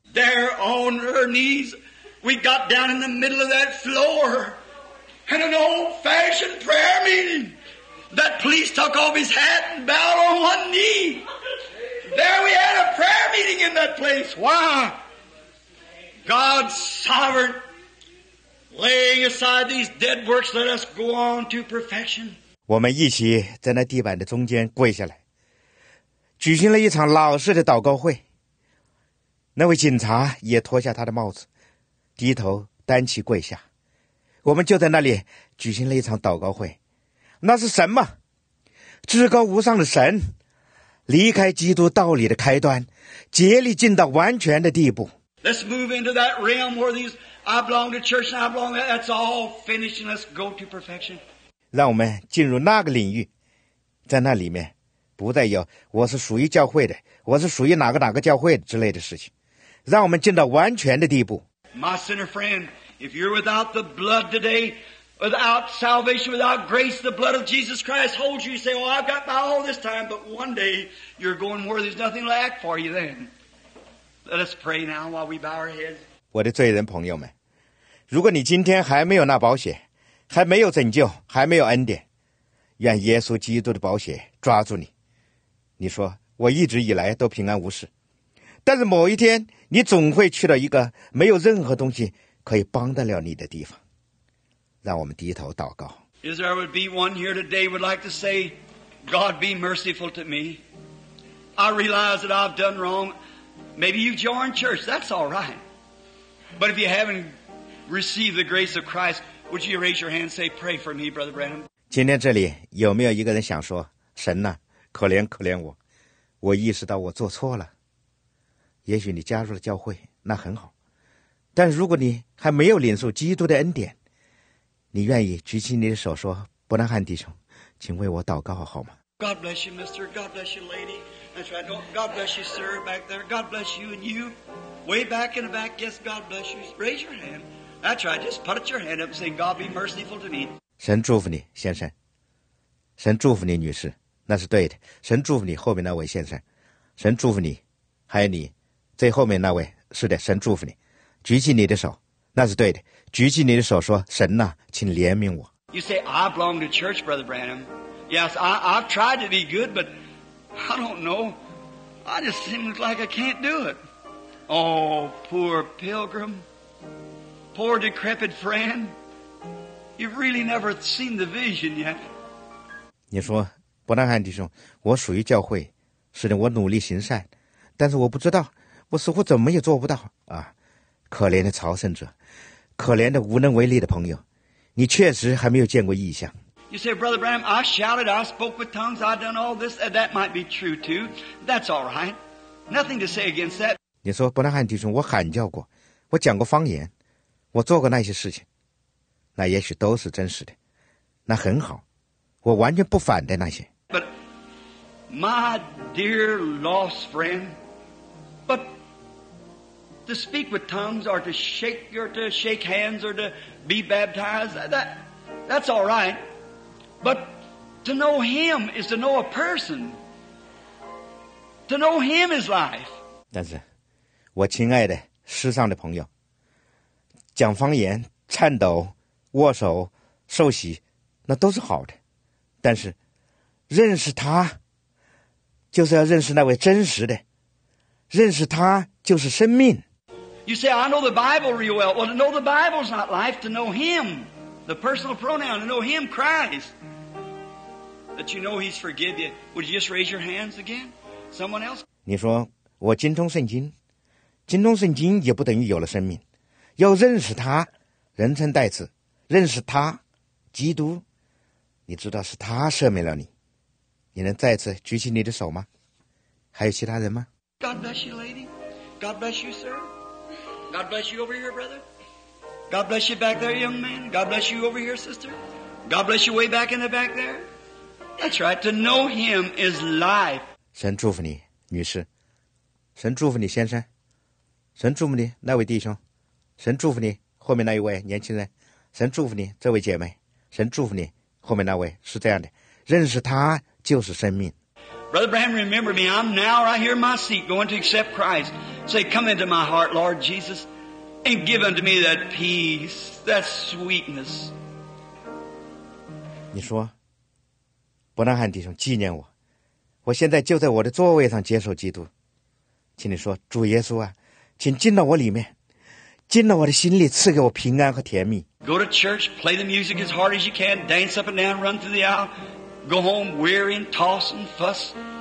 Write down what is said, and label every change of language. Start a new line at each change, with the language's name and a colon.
English: They're on her knees. We got down in the middle of that floor and an old-fashioned prayer meeting. That police took off his hat and bowed on one knee. There we had a prayer meeting in that place. Why? God's sovereign, laying aside these dead works, let us go on to perfection.
Chinese: 我们一起在那地板的中间跪下来，举行了一场老式的祷告会。那位警察也脱下他的帽子。低头单膝跪下，我们就在那里举行了一场祷告会。那是什么？至高无上的神，离开基督道理的开端，竭力尽到完全的地步。
English: Let's move into that realm where these I belong to church and I belong to that's all finished and let's go to perfection.
Chinese: 让我们进入那个领域，在那里面不再有我是属于教会的，我是属于哪个哪个教会之类的事情，让我们进到完全的地步。
English: My sinner friend, if you're without the blood today, without salvation, without grace, the blood of Jesus Christ holds you. You say, well, I've got by all this time, but one day you're going where there's nothing to act for you then. Let us pray now while we bow our heads.
Chinese: 我的罪人朋友们，如果你今天还没有那宝血，还没有拯救，还没有恩典，愿耶稣基督的宝血抓住你。你说，我一直以来都平安无事。但是某一天，你总会去到一个没有任何东西可以帮得了你的地方。让我们低头祷告。
English: Is there would be one here today would like to say, God be merciful to me. I realize that I've done wrong. Maybe you've joined church, that's all right. But if you haven't received the grace of Christ, would you raise your hand and say, pray for me, Brother Branham?
Chinese: 今天这里有没有一个人想说，神呐，可怜可怜我，我意识到我做错了。也许你加入了教会，那很好。但如果你还没有领受基督的恩典，你愿意举起你的手说：“伯南汉弟兄，请为我祷告好吗？”
English: God bless you, Mister. God bless you, Lady. That's right. God bless you, Sir, back there. God bless you and you, way back in the back. Yes, God bless you. Raise your hand. That's right. Just put your hand up and say, "God be merciful to me."
Chinese: 神祝福你，先生。神祝福你，女士。那是对的。神祝福你后面那位先生。神祝福你，还有你。最后面那位，是的，神祝福你，举起你的手，那是对的。举起你的手，说：“神呐，请怜悯我。”
English: You say I belong to church, Brother Branham. Yes, I've tried to be good, but I don't know. I just seems like I can't do it. Oh, poor pilgrim, poor decrepit friend. You've really never seen the vision yet.
Chinese: 你说，伯南罕弟兄，我属于教会，是的，我努力行善，但是我不知道，我似乎怎么也做不到啊！可怜的朝圣者，可怜的无能为力的朋友，你确实还没有见过异象。
English: You say, Brother Bram, I shouted, I spoke with tongues, I done all this. That might be true too. That's all right. Nothing to say against that.
Chinese: 你说伯南罕弟兄，我喊叫过，我讲过方言，我做过那些事情，那也许都是真实的，那很好，我完全不反对那些。
English: But my dear lost friend, but to speak with tongues or to shake or to shake hands or to be baptized, that's all right. But to know him is to know a person. To know him is life.
Chinese: 但是我亲爱的世上的朋友，讲方言、颤抖、握手、受洗，那都是好的。但是认识他，就是要认识那位真实的。认识他就是生命。
English: You say, I know the Bible real well. Well, to know the Bible is not life. To know him, the personal pronoun, to know him, Christ. But you know he's forgive you. Would you just raise your hands again? Someone else?
Chinese: 你说我精通圣经，精通圣经也不等于有了生命。要认识他，人称代词，认识他，基督，你知道是他赦免了你。你能再次举起你的手吗？还有其他人吗？
English: God bless you, lady. God bless you, sir. God bless you over here, brother. God bless you back there, young man. God bless you over here, sister. God bless you way back in the back there. That's right, to know him is life.
Chinese: 神祝福你，女士。神祝福你，先生。神祝福你，那位弟兄。神祝福你，后面那一位年轻人。神祝福你，这位姐妹。神祝福你，后面那位。是这样的，认识他就是生命。
English: Brother Bram, remember me. I'm now right here in my seat going to accept Christ. Say, come into my heart, Lord Jesus, and give unto me that peace, that sweetness.
Chinese: 你说伯南罕弟兄，纪念我，我现在就在我的座位上接受基督，请你说，主耶稣啊，请进到我里面，进到我的心里，赐给我平安和甜蜜。
English: Go to church, play the music as hard as you can, dance up and down, run through the aisle, go home weary and toss and fuss.